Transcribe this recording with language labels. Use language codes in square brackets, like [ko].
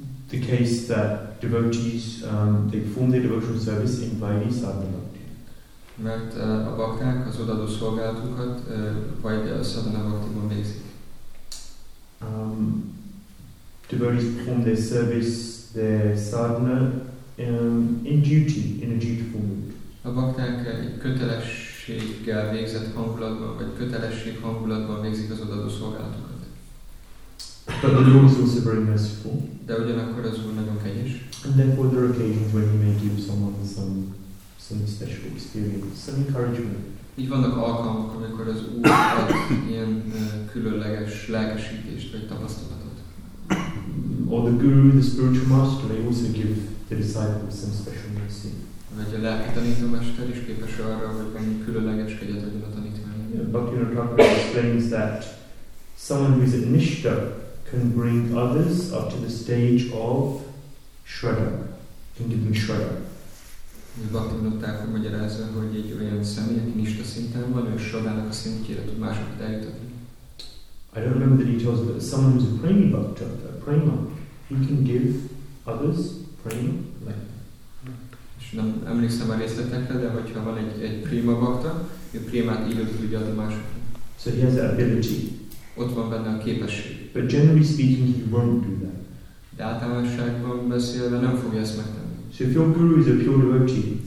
[en] The case that devotees they perform their devotional service in Vaidhi Sadhana Bhakti. [hu] Mert a bakták az odaadó szolgálatukat Vaidhi Sadhana Bhakti-ban végzik. [en] Devotees perform their service, their sadhana in duty, in a dutiful mood. [hu] A bakták egy kötelességgel végzett hangulatban, vagy kötelesség hangulatban végzik az odaadó szolgálatukat. [en] But the Lord is also very merciful. [hu] De ugyanakkor az Úr nagyon kegyes. [en] And therefore there are occasions when He may give someone some special experience, some encouragement. [hu] Így vannak alkalmak, amikor az Úr ad ilyen különleges lelkesítést vagy tapasztalatot. [en] Or the Guru, the spiritual master, may also give the disciples some special mercy. [hu] Vagy a lelki tanítómester is képes arra, hogy valami különleges kegyet adjon a tanítványnak. [en] Yeah, Bhaktivinoda Thakura explains that someone who is a nishta can bring others up to the stage of shraddha, can give them shraddha. [hu] Bhaktivinoda Thakura magyarázza, hogy egy olyan személy, aki nishta szinten van, ő shraddhának a szintjére tud másokat eljutatni. [en] I don't remember the details, but someone who is a premi bhakta, a prema, he can give others prema, like. [hu] Nem emlékszem a részletekre, de hogyha van egy prima bakta, ő primát így tudja adni másoknak. [en] So he has that ability. [hu] Ott van benne a képesség. [en] But generally speaking, he won't do that. [hu] De általánosságban beszélve nem fogja ezt megtenni. [en] So if your guru is a pure devotee.